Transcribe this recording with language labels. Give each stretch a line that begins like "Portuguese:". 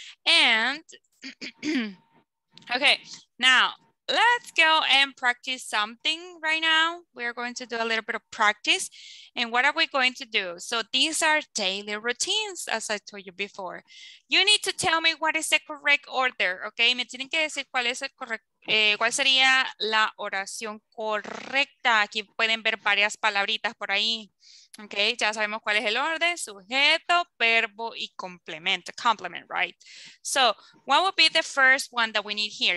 English: And, okay, now let's go and practice something right now. We are going to do a little bit of practice. And what are we going to do? So these are daily routines, as I told you before. You need to tell me what is the correct order, okay?
Spanish: Me tienen que decir cuál es el correcto. ¿Cuál sería la oración correcta? Aquí pueden ver varias palabritas por ahí. Ok, ya sabemos cuál es el orden, sujeto, verbo y complemento.
English: Complement, right? So, what would be the first one that we need here?